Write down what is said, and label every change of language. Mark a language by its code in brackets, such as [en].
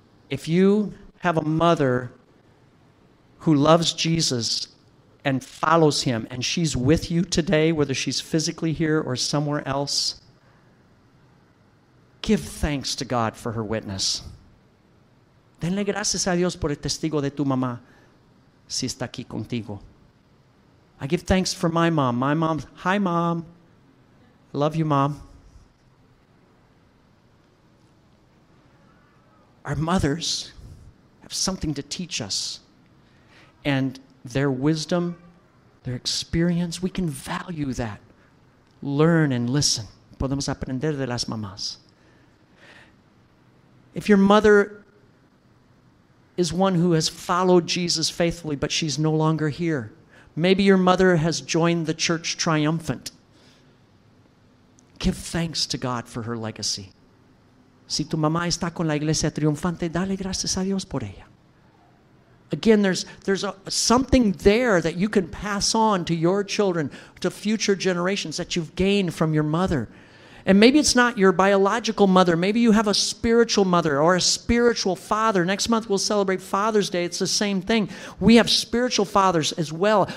[en] If you have a mother who loves Jesus and follows him, and she's with you today, whether she's physically here or somewhere else, give thanks to God for her witness. [es] Denle gracias a Dios por el testigo de tu mamá si está aquí contigo. [en] I give thanks for my mom. My mom, hi mom. Love you, mom. Our mothers have something to teach us. And their wisdom, their experience, we can value that. Learn and listen. [es] Podemos aprender de las mamás. [en] If your mother is one who has followed Jesus faithfully, but she's no longer here, maybe your mother has joined the church triumphant, give thanks to God for her legacy. [es] Si tu mamá está con la iglesia triunfante, dale gracias a Dios por ella. [en] Again, there's something there that you can pass on to your children, to future generations that you've gained from your mother. And maybe it's not your biological mother. Maybe you have a spiritual mother or a spiritual father. Next month we'll celebrate Father's Day. It's the same thing. We have spiritual fathers as well.